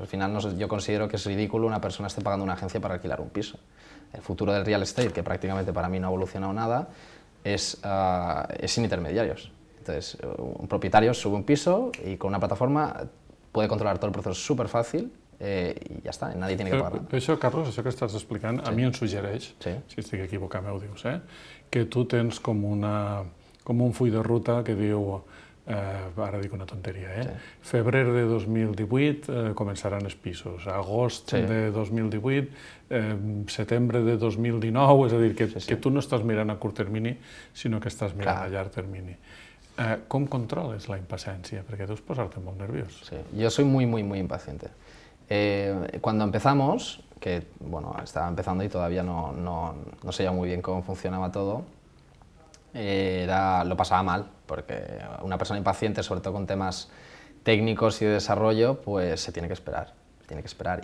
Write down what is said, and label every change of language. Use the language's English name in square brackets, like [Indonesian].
[Spanish] Al final yo considero que es ridículo una persona esté pagando una agencia para alquilar un piso. El futuro del real estate, que prácticamente para mí no ha evolucionado nada, es sin intermediarios. Entonces, un propietario sube un piso y con una plataforma puede controlar todo el proceso súper fácil y ya está, nadie tiene que pagar nada. [Catalan] Això, Carlos, això que estàs explicant, sí. A mi em suggereix, sí. Si estic equivocat, m'ho dius, que tu tens com un full de ruta que diu, ara dic una tonteria, sí. Febrer de 2018 començaran els pisos, agost sí. de 2018, setembre de 2019, és a dir, que tu no estàs mirant a curt termini, sinó que estàs mirant a llarg termini. [Spanish] ¿Cómo controles la impaciencia? Porque tú posarte muy nervioso. Sí, yo soy muy, muy, muy impaciente. Cuando empezamos, que bueno, estaba empezando y todavía no sabía muy bien cómo funcionaba todo, lo pasaba mal, porque una persona impaciente, sobre todo con temas técnicos y de desarrollo, pues se tiene que esperar. Tiene que esperar.